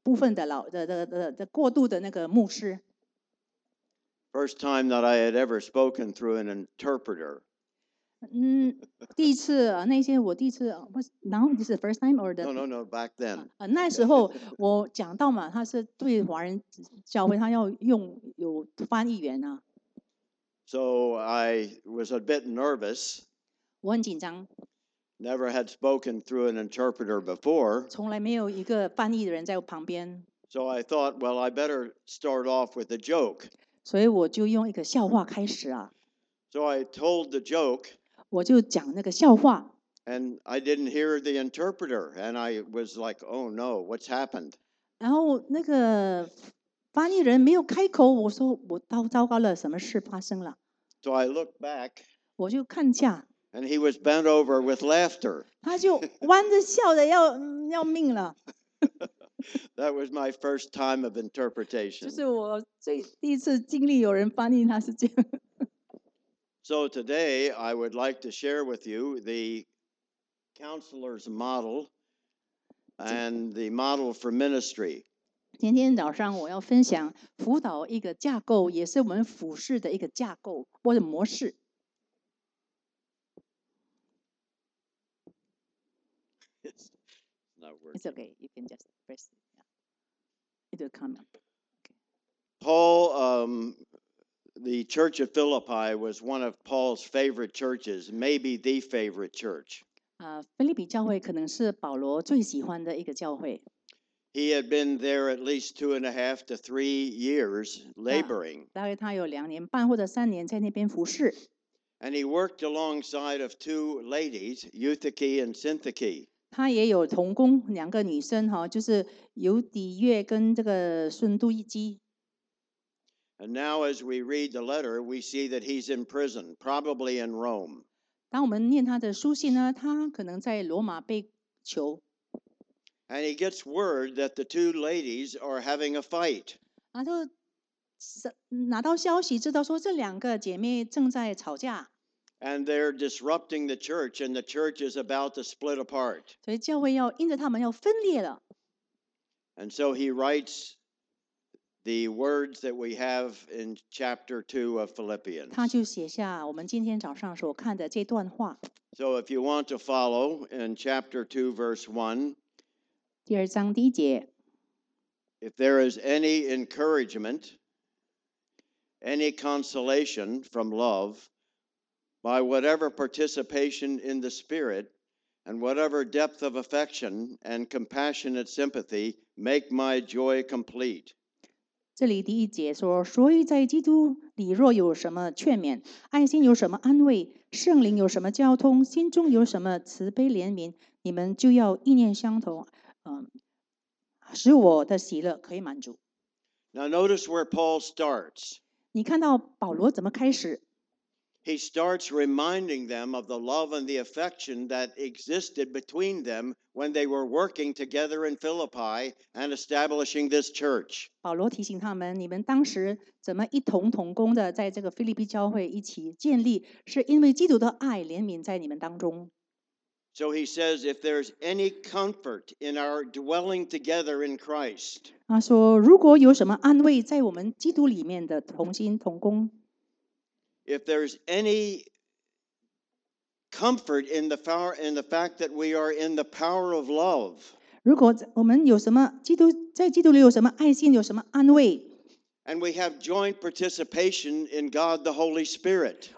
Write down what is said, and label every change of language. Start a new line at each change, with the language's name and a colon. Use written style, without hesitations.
Chinese: 我曾经在那个美国的圣路易的一个地方做那个华人教会的那个部分的过渡的那个牧师。
English: First time that I had ever spoken through an interpreter.
Chinese: 第一次，那些我第一次，
English: now this is the first time or the no, back then.
Chinese: 那时候我讲到嘛，他是对华人教会，他要用有翻译员啊。
English: So I was a bit nervous.
Chinese: 我很紧张。
English: Never had spoken through an interpreter before.
Chinese: 从来没有一个翻译的人在旁边。
English: So I thought, well, I better start off with a joke.
Chinese: 所以我就用一个笑话开始啊。So
English: I told the joke.
Chinese: 我就讲那个笑话,
English: and I didn't hear the interpreter, and I was like, oh no, what's happened?
Chinese: 然后那个翻译人没有开口, 我说我糟糕了, 什么事发生了?
English: So I looked back,
Chinese: 我就看下,
English: and he was bent over with laughter.
Chinese: 他就弯着笑的要命了。
English: That was my first time of interpretation.
Chinese: 就是我最第一次经历有人翻译他是这样。
English: So today I would like to share with you the counselor's model and the model for ministry.
Chinese: 今天早上我要分享辅导一个架构，也是我们服事的一个架构或者模式。
English: It's okay. You can just press it. Yeah. It will come up. Paul, the Church of Philippi was one of Paul's favorite churches, maybe the favorite church.
Chinese: 腓立比教会可能是保罗最喜欢的一个教会。
English: He had been there at least 2.5 to 3 years laboring.
Chinese: 大概他有两年半或者三年在那边服事。
English: And he worked alongside of two ladies, Eutyche and Syntyche.
Chinese: 他也有同工两个女生，就是尤底月跟这个孙都基。
English: And now as we read the letter, we see that he's in prison, probably in Rome.
Chinese: 当我们念他的书信呢，他可能在罗马被囚。
English: And he gets word that the two ladies are having a fight.
Chinese: 他就拿到消息，知道说这两个姐妹正在吵架。
English: And they're disrupting the church, and the church is about to split apart.
Chinese: 所以教会要因着他们要分裂了。
English: And so he writes the words that we have in chapter 2 of Philippians.
Chinese: 他就写下我们今天早上所看的这段话。
English: So if you want to follow in chapter 2, verse 1.
Chinese: 第二章第一节。
English: If there is any encouragement, any consolation from love, by whatever participation in the Spirit, and whatever depth of affection and compassionate sympathy, make my joy complete.
Chinese: 这里第一节说，所以在基督里若有什么劝勉，爱心有什么安慰，圣灵有什么交通，心中有什么慈悲怜悯，你们就要意念相同，使我的喜乐可以满足。
English: Now notice where Paul starts.
Chinese: 你看到保罗怎么开始？
English: He starts reminding them of the love and the affection that existed between them when they were working together in Philippi and establishing this church.
Chinese: 保罗提醒他们，你们当时怎么一同同工的在这个腓立比教会一起建立，是因为基督的爱怜悯在你们当中。
English: So he says, if there's any comfort in our dwelling together in Christ.
Chinese: 他说，如果有什么安慰在我们基督里面的同心同工。
English: If there's any comfort in the fact that we are in the power of love,
Chinese: 如果我们有什么基督在基督里有什么爱心，有什么安慰
English: ，and we have joint participation in God the Holy Spirit,